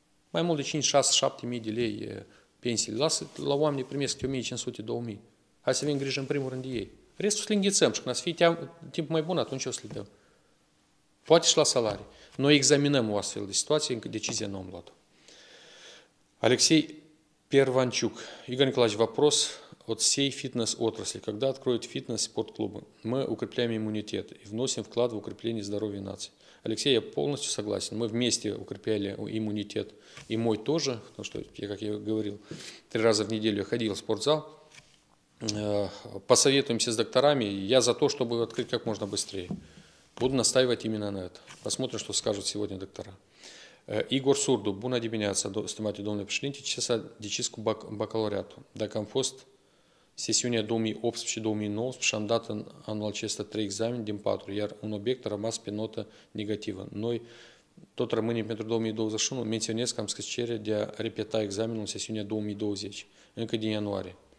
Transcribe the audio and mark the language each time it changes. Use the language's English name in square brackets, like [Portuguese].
[Romanian] Mai mult de 5-6-7 mii de lei pensiile. Lasă, la oameni primesc 1.500-2.000. Hai să avem grijă în primul rând de ei. Restul să le înghețăm și când să fie timp mai bun, atunci o să le dăm. Poate și la salarii. Noi examinăm o astfel de situație, încă decizia nu am luat-o. [Russian] Алексей Перванчук. Игорь Николаевич, вопрос от всей фитнес-отрасли. Когда откроют фитнес и спортклубы? Мы укрепляем иммунитет и вносим вклад в укрепление здоровья нации. Алексей, я полностью согласен. Мы вместе укрепляли иммунитет. И мой тоже, потому что я, как я говорил, 3 раза в неделю ходил в спортзал. Посоветуемся с докторами. Я за то, чтобы открыть как можно быстрее. Буду настаивать именно на это. Посмотрим, что скажут сегодня доктора. [Romanian] Igor Surdu, bună dimineața, stimate domnule președinte, ce s-a decis cu bacalaureatul? Dacă am fost sesiunea 2018-2019 și am dat în anul acesta 3 examene din 4, iar un obiect a rămas pe notă negativă. Noi tot rămânem pentru 2021, menționez că am scris cerere de a repeta examenul în sesiunea 2020, încă din ianuarie.